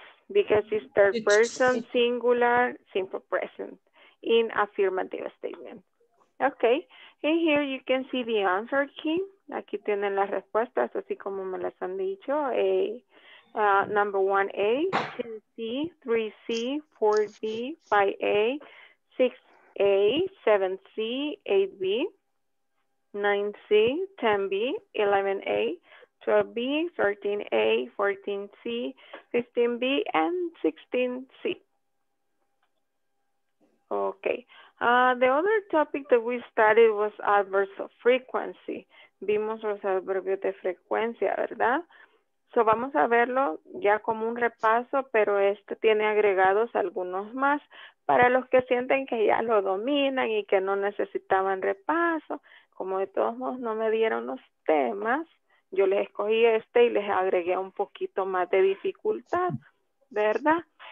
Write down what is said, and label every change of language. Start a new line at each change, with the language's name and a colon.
English: Because it's third person, singular, simple present, in affirmative statement. Okay. And here you can see the answer key.
Spanish: Aquí tienen las respuestas, así como me las han dicho.
English: A, number 1A, 2C, 3C, 4B, 5A, 6A, 7C, 8B, 9C, 10B, 11A, 12B, 13A, 14C, 15B, and 16C. Okay. The other topic that we studied was adverbs of frequency.
Spanish: Vimos los adverbios de frecuencia, ¿verdad? So vamos a verlo ya como un repaso, pero este tiene agregados algunos más para los que sienten que ya lo dominan y que no necesitaban repaso. Como de todos modos no me dieron los temas, yo les escogí este y les agregué un poquito más de dificultad, ¿verdad?